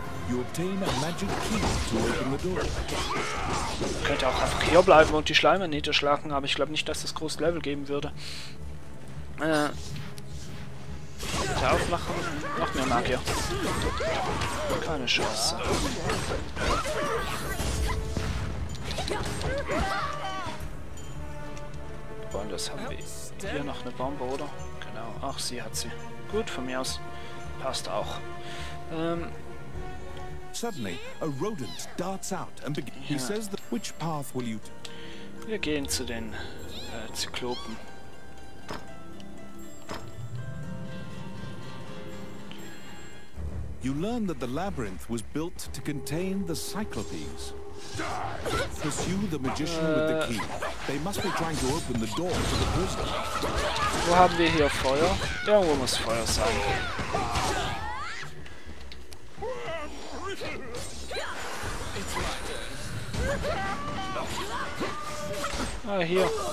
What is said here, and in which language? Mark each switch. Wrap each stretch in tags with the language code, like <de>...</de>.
<en>You obtain a magic key to open the door.</en> <de>Könnte auch einfach hier bleiben und die Schleime niederschlagen, aber ich glaube nicht, dass das große Level geben würde. Bitte aufmachen. Noch mehr Magier. Keine Chance. Und das haben wir hier noch eine Bombe, oder? Genau. Ach, sie hat sie. Gut, von mir aus. Passt auch.</de> <en>Suddenly, a rodent darts out and he says that which path will you take?</en> <de>Wir gehen zu den Zyklopen.</de> <en>You learn that the labyrinth was built to contain the cyclopes. Pursue the magician with the key. They must be trying to open the door to the prison.</en> <de>Wo haben wir hier Feuer? Irgendwo muss Feuer sein. Ah, hier.</de>